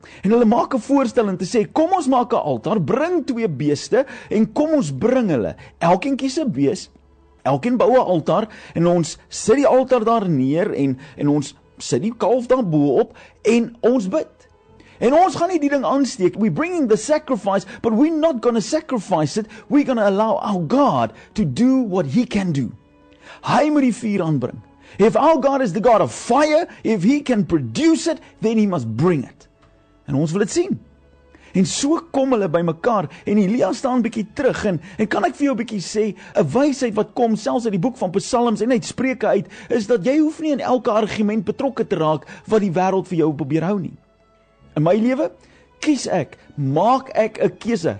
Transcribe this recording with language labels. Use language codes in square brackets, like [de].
[af] En hulle maak 'n voorstelling om te sê, kom ons maak 'n altaar, bring twee beeste en kom ons bring hulle. Elkeen kies 'n bees, elkeen bou 'n altaar en ons sit die altaar daar neer en ons sit die kalf daar bo op en ons bid. En ons gaan nie die ding aansteek. [en] We bringing the sacrifice, but we're not going to sacrifice it. We're going to allow our God to do what he can do. [af] Hy moet die vuur aanbring. [en] If our God is the God of fire, if he can produce it, then he must bring it. [af] En ons wil dit sien. En so kom hulle by mekaar en Elia staan bietjie terug en kan ek vir jou bietjie sê, 'n wysheid wat kom selfs uit die boek van Psalms en uit Spreuke uit, is dat jy hoef nie in elke argument betrokke te raak wat die wêreld vir jou probeer hou nie. In my lewe kies ek, maak ek 'n keuse.